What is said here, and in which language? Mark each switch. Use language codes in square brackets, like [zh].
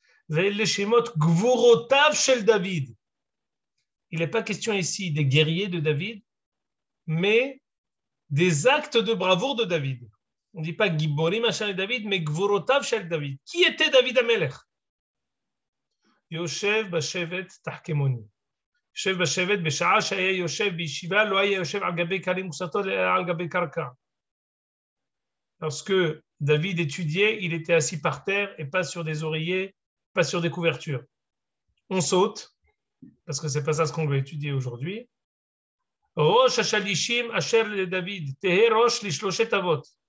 [fr] Elle est [he] Shemot Gvurotav Shel David. [fr] Il n'est pas question ici des guerriers de David, mais des actes de bravoure de David. On ne dit pas [he] Giborim Shah David, [fr] mais [he] Gvurotav Shel David. [fr] Qui était David Amelech? [he] Yoshev Bashevet Tahte Kemoni. יושב בשבט בשעה שהיה יושב בישיבה לא היה יושב על גבי קלים וסתו אלא על גבי קרקע. [fr] Lorsque David étudiait, il était assis par terre et pas sur des oreillers, pas sur des couvertures. On saute, parce que c'est pas ça ce qu'on veut étudier aujourd'hui. [he] Rosh Hashalishim Asher le David, Tehe Rosh Lishloshet Avot.